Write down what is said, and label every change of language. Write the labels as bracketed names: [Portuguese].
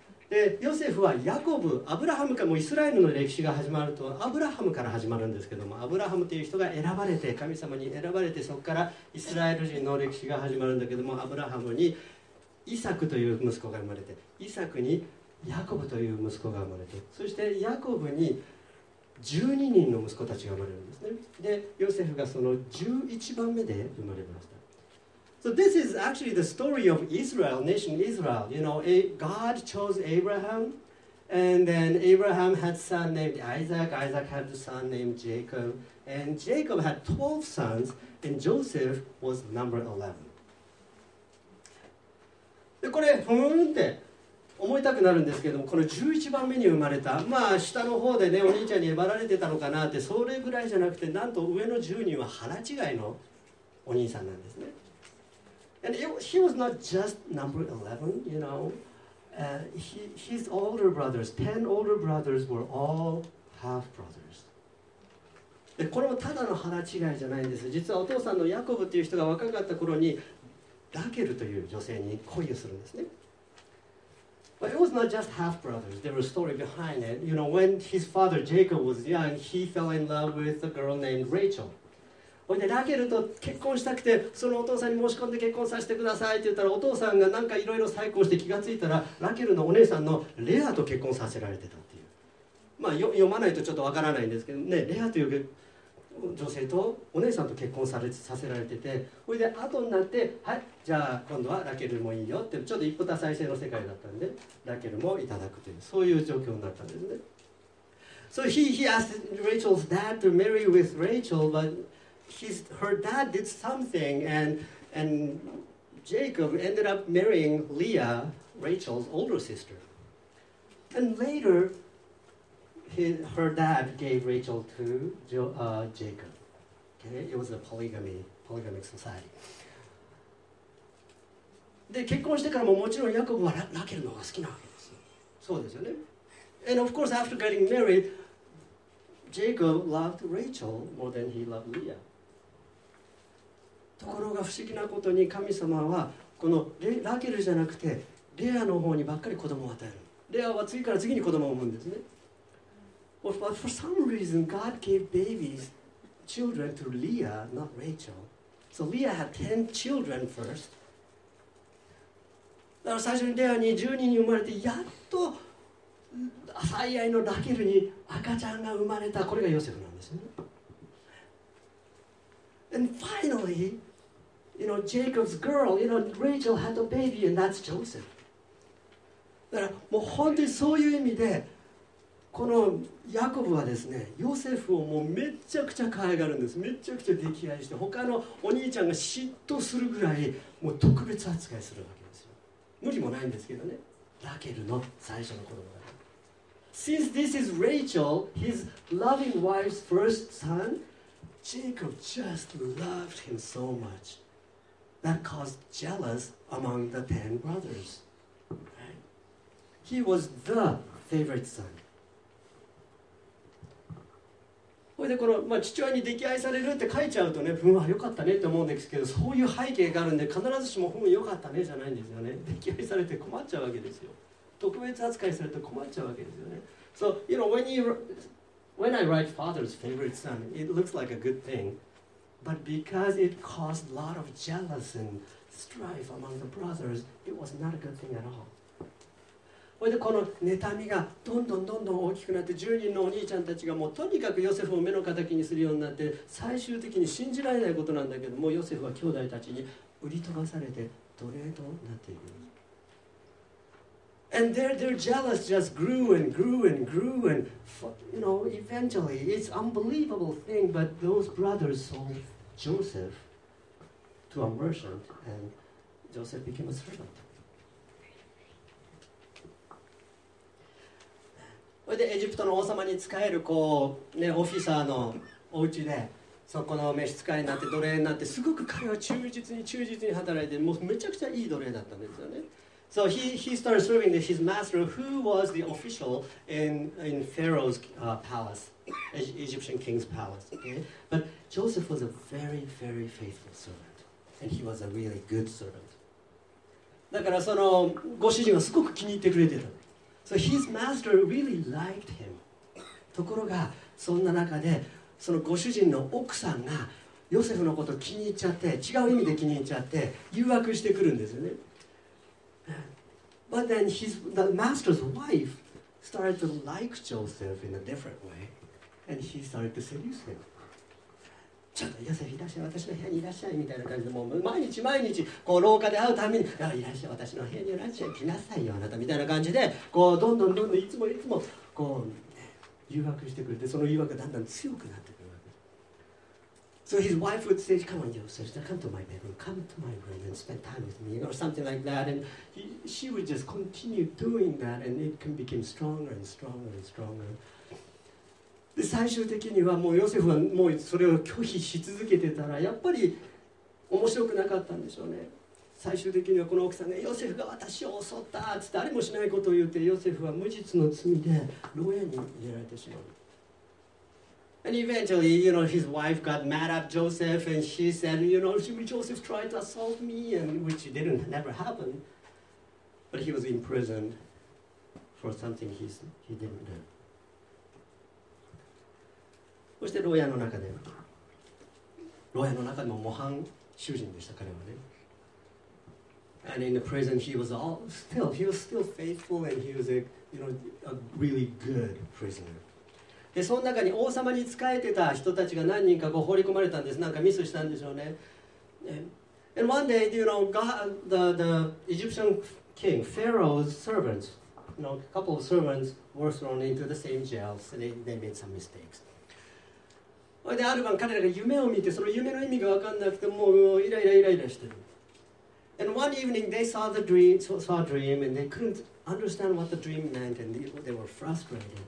[Japanese] でヨセフはヤコブ、アブラハムかもイスラエルの歴史が始まるとアブラハムから始まるんですけども、アブラハムという人が選ばれて神様に選ばれて、そこからイスラエル人の歴史が始まるんだけども、アブラハムにイサクという息子が生まれて、イサクにヤコブという息子が生まれて、そしてヤコブに12人の息子たちが生まれるんですね。でヨセフがその11番目で生まれました。 [English] So this is actually the story of Israel, nation Israel. You know, God chose Abraham, and then Abraham had a son named Isaac. Isaac had a son named Jacob, and Jacob had 12 sons, and Joseph was number 11. [Japanese] で、これ、ふんって思いたくなるんですけども、この11番目に生まれた、まあ下の方でね、お兄ちゃんに粘られてたのかなって、それぐらいじゃなくて、なんと上の10人は腹違いのお兄さんなんですね。 [English] And he was not just number 11, you know. His older brothers, 10 older brothers, were all half brothers. [Japanese] で、これもただの腹違いじゃないんです。実はお父さんのヤコブっていう人が若かった頃にラケルという女性に恋をするんですね。 [English] But it was not just half brothers. There was a story behind it. You know, when his father Jacob was young, he fell in love with a girl named Rachel. [Japanese] おいでラケルと結婚したくて、そのお父さんに申し込んで結婚させてくださいって言ったら、お父さんがなんかいろいろ再婚して気がついたら、ラケルのお姉さんのレアと結婚させられてたっていう。まあ読まないとちょっとわからないんですけどね、レアという女性とお姉さんと結婚させられてて、おいで後になって、はい、じゃあ今度はラケルもいいよって、ちょっと一夫多妻制の世界だったんで、ラケルもいただくという、そういう状況になったんですね。 [English] So he asked Rachel's dad to marry with Rachel, butHer dad did something, and Jacob ended up marrying Leah, Rachel's older sister. And later, her dad gave Rachel to Jacob. Okay, it was a polygamic society. [Japanese] で、結婚してからももちろんヤコブはラケルの方が好きなわけです。そうですよね。 [English] And of course, after getting married, Jacob loved Rachel more than he loved Leah. [Japanese] ところが不思議なことに神様はこのラケルじゃなくてレアの方にばっかり子供を与える。レアは次から次に子供を産むんですね。 [English] But for some reason, God gave babies, children to Leah, not Rachel. So Leah had 10 children first. [Japanese] だから最初にレアに12人生まれて、やっと最愛のラケルに赤ちゃんが生まれた。これがヨセフなんですね。 [English] And finally, you know, Jacob's girl, you know, Rachel had a baby, and that's Joseph. [Japanese] だからもう本当にそういう意味で、このヤコブはですね、ヨセフをもうめちゃくちゃ可愛がるんです。めちゃくちゃ溺愛して、他のお兄ちゃんが嫉妬するぐらい、もう特別扱いするわけですよ。無理もないんですけどね。ラケルの最初の子供だ。 [English] Since this is Rachel, his loving wife's first son,Jacob just loved him so much that caused jealous among the ten brothers. He was the favorite son. [Japanese] これでこの、まあ、父親に溺愛されるって書いちゃうとね、ふんはよかったねって思うんですけど、そういう背景があるんで、必ずしもふんよかったねじゃないんですよね。溺愛されて困っちゃうわけですよ。特別扱いされて困っちゃうわけですよね。 [English] So, you know, When I write father's favorite son, it looks like a good thing. But because it caused a lot of jealousy and strife among the brothers, it was not a good thing at all. [Japanese] それでこの妬みがどんどんどんどん大きくなって、10人のお兄ちゃんたちがもうとにかくヨセフを目の敵にするようになって、最終的に信じられないことなんだけども、ヨセフは兄弟たちに売り飛ばされて奴隷となっている。 [English] And their jealousy just grew and grew and grew and, you know, eventually, it's an unbelievable thing, but those brothers sold Joseph to a merchant, and Joseph became a servant. [Japanese] それでエジプトの王様に仕えるこう、ね、オフィサーのお家でそこの召使いになって奴隷になって、すごく彼は忠実に働いて、もうめちゃくちゃいい奴隷だったんですよね。 [English] So he started serving his master, who was the official in Pharaoh's palace, Egyptian king's palace. Okay, but Joseph was a very, very faithful servant, and he was a really good servant. [Japanese] だからそのご主人はすごく気に入ってくれてた。 [English] So his master really liked him. [Japanese] ところがそんな中でそのご主人の奥さんがヨセフのこと気に入っちゃって、違う意味で気に入っちゃって誘惑してくるんですよね。 [English] But then the master's wife started to like Joseph in a different way, and he started to seduce him. [Japanese] ちょっとヨセフいらっしゃい、私の部屋にいらっしゃいみたいな感じで、もう毎日こう廊下で会うたびに、いらっしゃい、私の部屋にいらっしゃい、来なさいよあなたみたいな感じで、こうどんどんいつもこう誘惑してくれて、その誘惑がだんだん強くなってくるわけです。 [English] So his wife would say, come on, Joseph, come to my bedroom and spend time with me, or something like that. And she would just continue doing that, and it can become stronger and stronger and stronger. [Japanese] で、最終的にはもうヨセフはもうそれを拒否し続けてたら、やっぱり面白くなかったんでしょうね。最終的にはこの奥さんが、ヨセフが私を襲ったっつって、あれもしないことを言って、ヨセフは無実の罪で牢屋に入れられてしまう。 [English] And eventually, you know, his wife got mad at Joseph, and she said, you know, Joseph tried to assault me, and which didn't never happen. But he was imprisoned for something he didn't do. [Japanese] そして牢屋の中でも模範囚人でした、彼はね。 [English] And in the prison, he was still faithful, and he was a really good prisoner. [Japanese] で、その中に王様に仕えてた人たちが何人かこう放り込まれたんです。なんかミスしたんでしょうね。 [English] And one day, you know, the Egyptian king, Pharaoh's servants, you know, a couple of servants were thrown into the same jail, so they made some mistakes. [Japanese] それである晩彼らが夢を見て、その夢の意味が分かんなくて、もうイライラしてる。 [English] And one evening they saw the dream, and they couldn't understand what the dream meant, and they were frustrated.